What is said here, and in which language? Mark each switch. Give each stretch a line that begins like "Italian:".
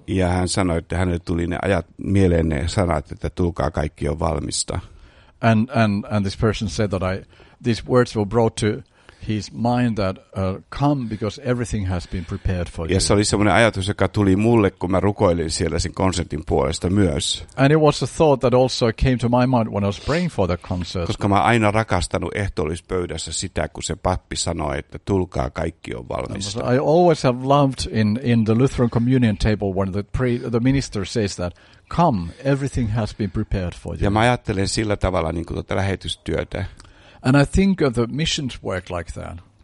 Finnish: Ja hän sanoi, että hänelle tuli ne ajat mieleen ne sanat, että tulkaa, kaikki on valmista.
English: And this person said that these words were brought to his mind that come because everything has been prepared for you.
Finnish: Ja se oli semmoinen ajatus, joka tuli mulle, kun mä rukoilin siellä sen konsertin puolesta myös.
English: And it was a thought that also came to my mind when I was praying for the concert.
Finnish: Koska mä aina rakastanut ehtoollispöydässä sitä, kun se pappi sanoi, että tulkaa, kaikki on valmista.
English: I always have loved in the Lutheran communion table when the minister says that. Come, everything has been prepared for you.
Finnish: Ja mä ajattelen sillä tavalla niin kuin tuota lähetystyötä.
English: And I think of the missions work like that.